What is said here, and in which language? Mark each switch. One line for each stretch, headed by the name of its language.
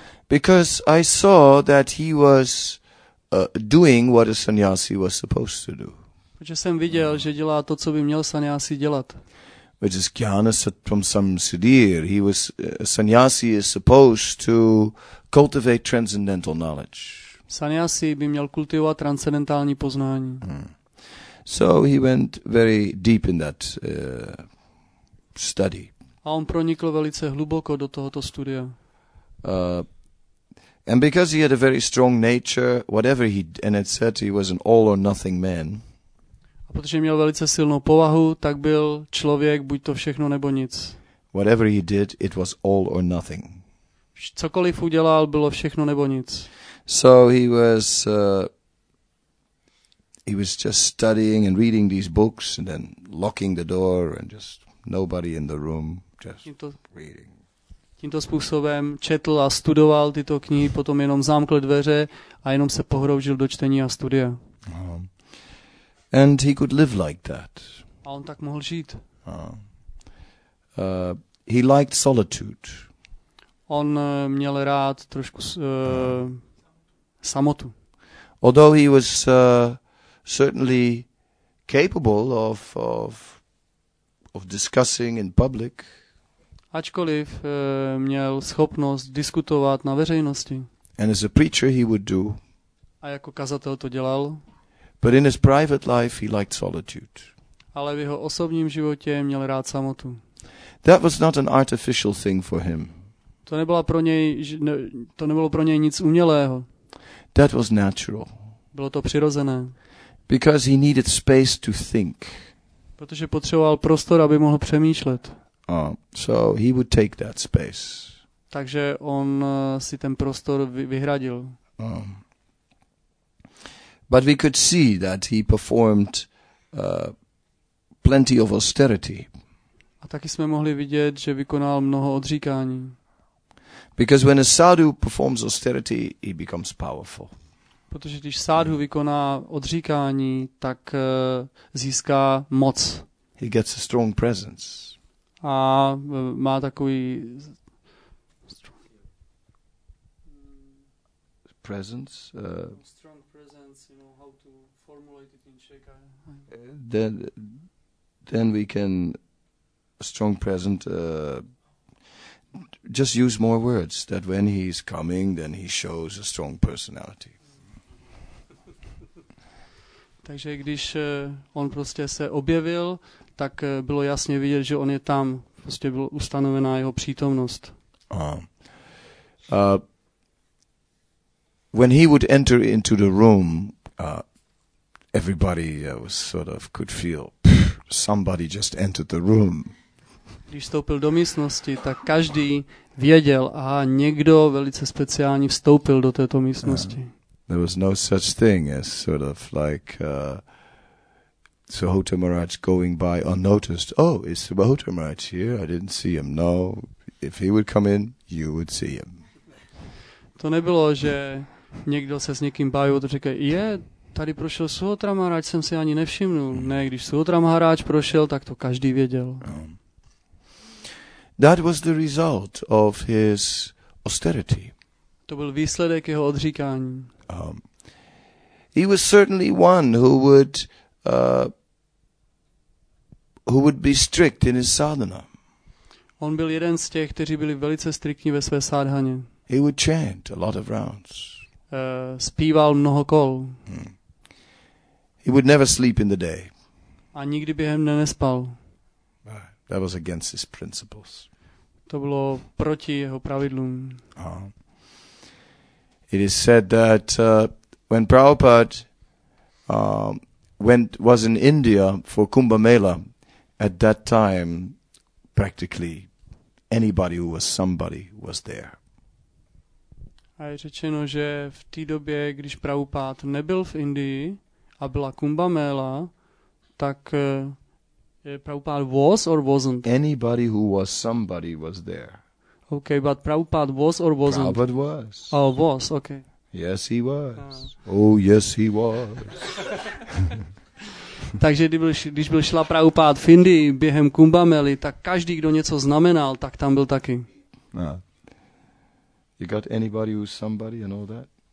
English: Because I saw that he was doing what a sannyasi was supposed to do.
Czech: Protože jsem viděl, že dělá to, co by měl sannyasi dělat.
English: Which is Gyana from some Siddhir. He was sannyasi is supposed to cultivate transcendental knowledge.
Czech: Sannyasi by měl kultivovat transcendentální poznání.
English: So he went very deep in that study.
Czech: A on pronikl velice hluboko do tohoto studia.
English: And because he had a very strong nature, whatever he and it said he was an all or nothing man.
Czech: Protože měl velice silnou povahu, tak byl člověk buď to všechno nebo nic.
English: Whatever he did, it was all or nothing.
Czech: Cokoliv udělal, bylo všechno nebo nic.
English: So he was just studying and reading these books and then locking the door and just nobody in the room, just reading.
Czech: Tímto způsobem četl a studoval tyto knihy, potom jenom zamkl dveře a jenom se pohroužil do čtení a studia.
English: And he could live like that.
Czech: A on tak mohl žít.
English: He liked solitude.
Czech: On měl rád trošku samotu.
English: Although he was certainly capable of discussing in public.
Czech: ačkoliv měl schopnost diskutovat na veřejnosti.
English: And as a preacher he would do.
Czech: A jako kazatel to dělal.
English: But in his private life he liked solitude.
Czech: Ale v jeho osobním životě měl rád samotu.
English: That was not an artificial thing for him.
Czech: To nebylo pro něj, to nebylo pro něj nic umělého.
English: That was natural.
Czech: Bylo to přirozené.
English: Because he needed space to think.
Czech: Protože potřeboval prostor, aby mohl přemýšlet.
English: So he would take that space.
Czech: Takže on si ten prostor vyhradil.
English: But we could see that he performed plenty of austerity.
Czech: A taky jsme mohli vidět, že vykonal mnoho odříkání.
English: Because when a sadhu performs austerity, he becomes powerful.
Czech: Protože když sadhu vykoná odříkání, tak získá moc.
English: He gets a strong presence.
Czech: A má takový
English: strong presence, you know, how to formulate it in Czech. Then we can strong present just use more words that when he's coming then he shows a strong personality.
Czech: Takže když on prostě se objevil, tak bylo jasně vidět, že on je tam, prostě byla ustanovená jeho přítomnost.
English: When he would enter into the room, everybody was sort of could feel somebody just entered the room.
Czech: Když vstoupil do místnosti, tak každý věděl, aha, někdo velice speciální vstoupil do této místnosti.
English: There was no such thing as sort of like Suhota Maharaj going by unnoticed. Oh, is Suhota Maharaj here? I didn't see him. No, if he would come in, you would see him.
Czech: To nebylo, že někdo se s někým baví, to řekl, je, tady prošel Suhota Maharaj, jsem si ani nevšimnul. Ne, když Suhota Maharaj prošel, tak to každý věděl.
English: That was the result of his austerity.
Czech: To byl výsledek jeho odříkání.
English: He was certainly one who would be strict in his sadhana.
Czech: On byl jeden z těch, kteří byli velice striktní ve své sádhaně.
English: He would chant a lot of rounds.
Czech: Zpíval mnoho kol.
English: He would never sleep in the day.
Czech: A nikdy během dne nespal.
English: That was against his principles.
Czech: To bylo proti jeho pravidlům.
English: It is said that when Prabhupada was in India for Kumbh Mela, at that time practically anybody who was somebody was there.
Czech: A je řečeno, že v té době, když Prabhupada nebyl v Indii a byla Kumbh Mela, tak
English: Prabhupada was or wasn't? Anybody who was somebody was there. Okay, but Prabhupada was or wasn't? Prabhupada was. Oh, was, okay. Yes, he was. Oh, yes, he was.
Czech: Takže když byl šla Prabhupada v Indii během Kumbh Mely, tak každý, kdo něco znamenal, tak tam byl taky.
English: No. You got anybody who's somebody and all that?